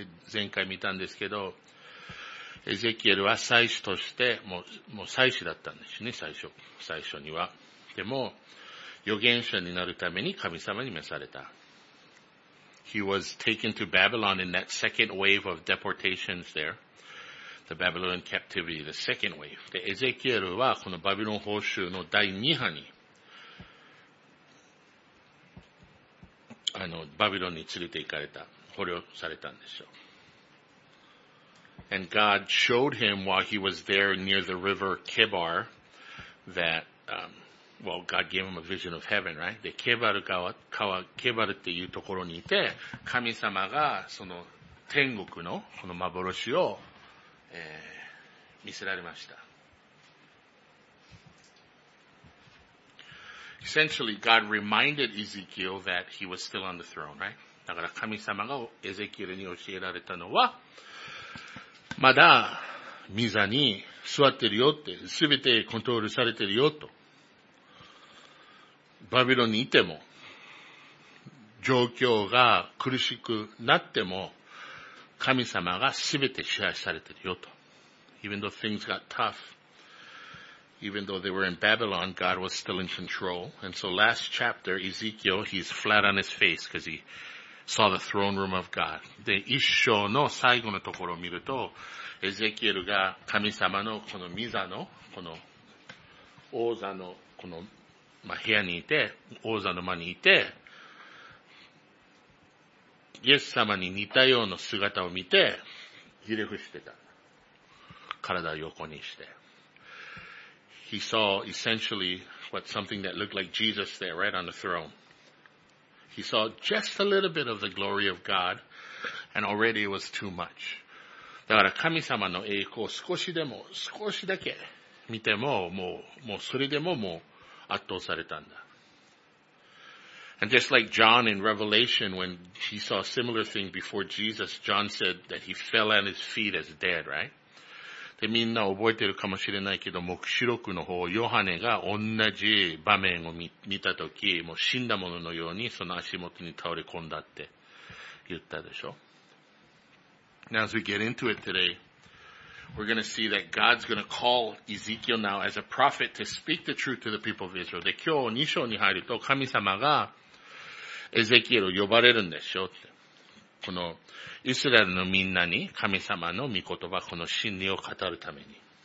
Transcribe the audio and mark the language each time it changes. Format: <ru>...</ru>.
<ja>前回見たんですけど、エゼキエルは祭司として、もう祭司だったんですね、最初には。でも、預言者になるために神様に召された。</ja> <en>He was taken to Babylon in that second wave of deportations there. The Babylonian captivity, the second wave.</en> <ja>で、エゼキエルはこのバビロン捕囚の第二波に、バビロンに連れて行かれた、捕虜されたんですよ。</ja> <en>And God showed him while he was there near the river Kibar that, God gave him a vision of heaven, right?</en> <ja>で、ケバルっていうところにいて、神様がその天国のこの幻を、見せられました。</ja> <en>Essentially, God reminded Ezekiel that he was still on the throne, right?</en> <ja>だから神様がエゼキエルに教えられたのは、まだ、御座に座ってるよって、すべてコントロールされてるよと。バビロンにいても、状況が苦しくなっても、神様がすべて支配されてるよと。</ja> <en>Even though things got tough, even though they were in Babylon, God was still in control. And so last chapter, Ezekiel, he's flat on his face because he saw the throne room of God.</en> <ja>で、一章の最後のところを見ると、エゼキエルが神様のこの御座の、この王座のこの、まあ、部屋にいて、王座の間にいて、イエス様に似たような姿を見て、ひれ伏してた。体を横にして。</ja> <en>He saw essentially what something that looked like Jesus there, right on the throne. He saw just a little bit of the glory of God, and already it was too much.</en> <ja>だから神様の栄光を少しだけ見てももうそれでももう圧倒されたんだ。</ja> <en>And just like John in Revelation, when he saw a similar thing before Jesus, John said that he fell on his feet as dead, right?</en> <ja>で、みんな覚えてるかもしれないけど、黙示録の方、ヨハネが同じ場面を見たとき、もう死んだもののようにその足元に倒れ込んだって言ったでしょ。</ja> <en>Now as we get into it today, we're going to see that God's going to call Ezekiel now as a prophet to speak the truth to the people of Israel.</en> <ja>で、今日2章に入ると神様がエゼキエルを呼ばれるんでしょって。このイスラエルのみんなに神様の御言葉、この真理を語るために。</ja>